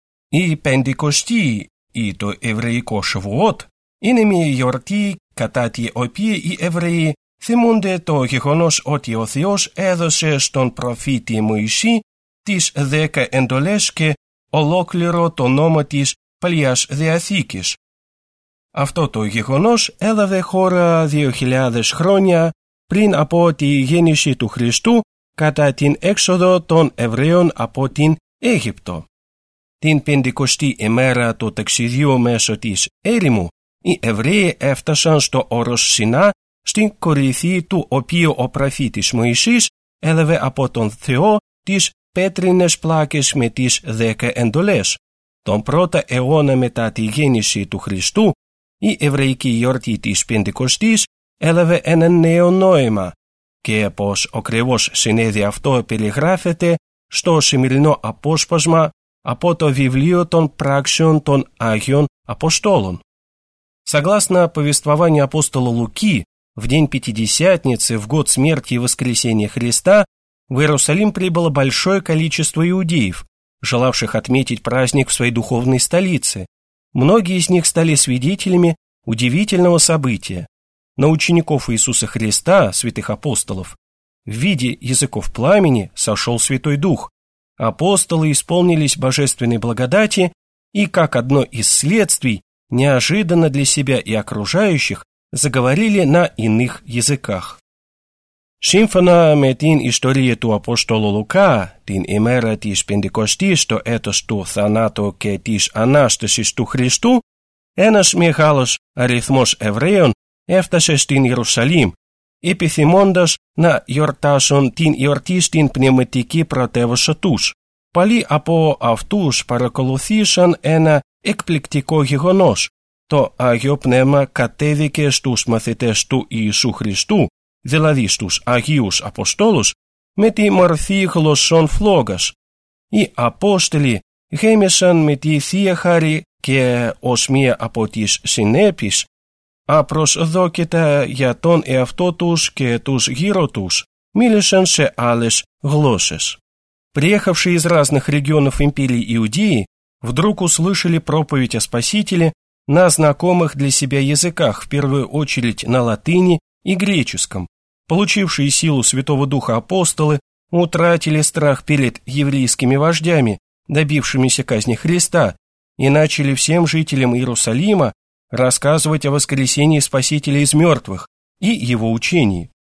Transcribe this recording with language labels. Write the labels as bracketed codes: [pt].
[el] «И пендикости, и то еврейко шавуот, иными йорти, катати опие и евреи, симунде то гехонош оти о Theos эдосе штон профити Моиши, тиш дека эндолешке, ολόκληρο το νόμο της Παλιάς Διαθήκης. Αυτό το γεγονός έλαβε χώρα 2000 χρόνια πριν από τη γέννηση του Χριστού κατά την έξοδο των Εβραίων από την Αίγυπτο. Την 50η ημέρα του ταξιδιού μέσω της έρημου, οι Εβραίοι έφτασαν στο όρος Σινά, στην κορυφή του οποίου ο προφήτης Μωυσής έλαβε από τον Θεό τις πέτρινες πλάκες με τις 10 εντολές. Τον πρώτο αιώνα μετά τη γέννηση του Χριστού, η εβραϊκή γιορτή της Πεντηκοστής έλαβε ένα νέο νόημα και πως ακριβώς συνέβη αυτό περιγράφεται στο σημερινό απόσπασμα από το βιβλίο των πράξεων των Άγιων Αποστόλων. [ru] Согласно повествованию апостола Луки, в день Пятидесятницы, в год смерти и воскресения Христа, в Иерусалим прибыло большое количество иудеев, желавших отметить праздник в своей духовной столице. Многие из них стали свидетелями удивительного события. На учеников Иисуса Христа, святых апостолов, в виде языков пламени сошел Святой Дух. Апостолы исполнились божественной благодати и, как одно из следствий, неожиданно для себя и окружающих, заговорили на иных языках. [el] Σύμφωνα με την ιστορία του Απόστολου Λουκά, την ημέρα της Πεντηκοστής, το έτος του θανάτου και της Ανάστασης του Χριστού, ένας μεγάλος αριθμός Εβραίων έφτασε στην Ιερουσαλήμ, επιθυμώντας να γιορτάσουν την γιορτή στην πνευματική πρωτεύουσα τους. Πολλοί από αυτούς παρακολουθήσαν ένα εκπληκτικό γεγονός. Το Άγιο Πνεύμα κατέβηκε στους μαθητές του Ιησού Χριστού, δηλαδή στους Αγίους Αποστόλους, με τη μορφή γλωσσών φλόγας. Οι Απόστολοι γέμισαν με τη Θεία Χάρη και ως μία από τις συνέπειες, απροσδόκητα για τον εαυτό τους και τους γύρω τους, μίλησαν σε άλλες γλώσσες. [ru] Приехавшие из разных регионов империи Иудеи, вдруг услышали проповедь о Спасителе на знакомых для себя языках, в первую очередь на латыни и греческом. Получившие силу Святого Духа апостолы утратили страх перед еврейскими вождями, добившимися казни Христа, и начали всем жителям Иерусалима рассказывать о воскресении Спасителя из мертвых и его учении.